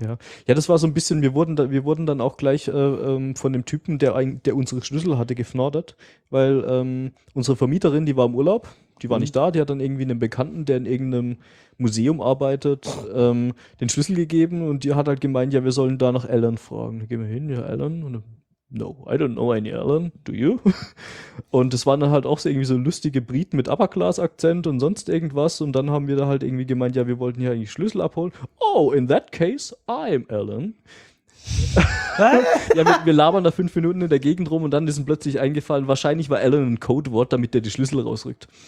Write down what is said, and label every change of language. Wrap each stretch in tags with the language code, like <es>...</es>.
<de>Ja, ja, das war so ein bisschen, wir wurden dann auch gleich von dem Typen, der unsere Schlüssel hatte, gefnordert, weil unsere Vermieterin, die war im Urlaub, die war nicht da, die hat dann irgendwie einen Bekannten, der in irgendeinem Museum arbeitet, den Schlüssel gegeben und die hat halt gemeint, ja, wir sollen da nach Alan fragen. Da gehen wir hin, ja, Alan.</de> <en>Und no, I don't know any Alan, do you?</en> <de>Und es waren dann halt auch so irgendwie so lustige Briten mit Upper-Class-Akzent und sonst irgendwas. Und dann haben wir da halt irgendwie gemeint, ja, wir wollten hier eigentlich Schlüssel abholen.</de> <en>Oh, in that case, I'm Alan.</en> <de>Ja, wir labern da 5 Minuten in der Gegend rum und dann ist ihm plötzlich eingefallen, wahrscheinlich war Alan ein Codewort, damit der die Schlüssel rausrückt.</de>